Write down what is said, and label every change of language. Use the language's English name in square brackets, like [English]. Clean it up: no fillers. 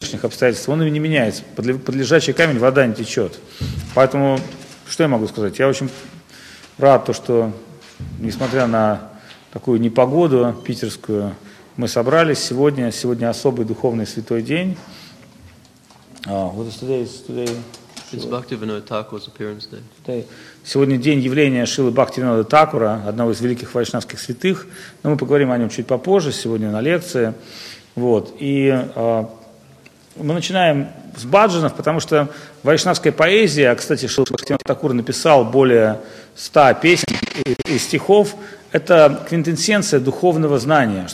[Russian] внешних обстоятельств, он и не меняется. Под лежачий камень вода не течет. Поэтому, что я могу сказать? Я очень рад, что, несмотря на такую непогоду питерскую, мы собрались сегодня. Сегодня особый духовный святой день. [English] What is today? It's Bhaktivinoda Thakura's appearance day. Today. [Russian] Сегодня день явления Шрилы Бхактивинода Такура, одного из великих вайшнавских святых. Но мы поговорим о нем чуть попозже, сегодня на лекции. Вот. И мы начинаем с бхаджанов, потому что вайшнавская поэзия, а, кстати, Шрила Бхактивинода Такура написал более 100 песен и стихов, это квинтэссенция духовного знания.